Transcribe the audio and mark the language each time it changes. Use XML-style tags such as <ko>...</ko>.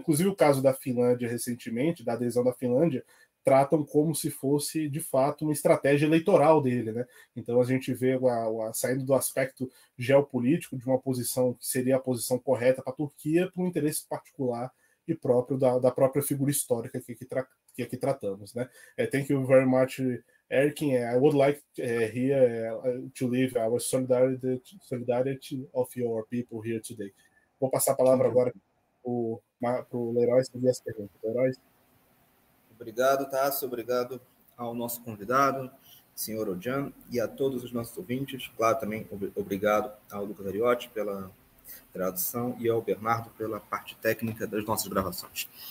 <pt>Inclusive o caso da Finlândia recentemente, da adesão da Finlândia, tratam como se fosse, de fato, uma estratégia eleitoral dele, né? Então a gente vê saindo do aspecto geopolítico de uma posição que seria a posição correta para a Turquia, para um interesse particular e próprio da própria figura histórica que aqui tratamos, né?</pt> <en>Thank you very much, Erkin. I would like here to leave our solidarity of your people here today.</en> <pt>Vou passar a palavra agora para o Leroy fazer as perguntas. Leroy? Obrigado, Tasso, obrigado ao nosso convidado, senhor Ojan, e a todos os nossos ouvintes. Claro, também obrigado ao Lucas Ariotti pela tradução e ao Bernardo pela parte técnica das nossas gravações.</pt>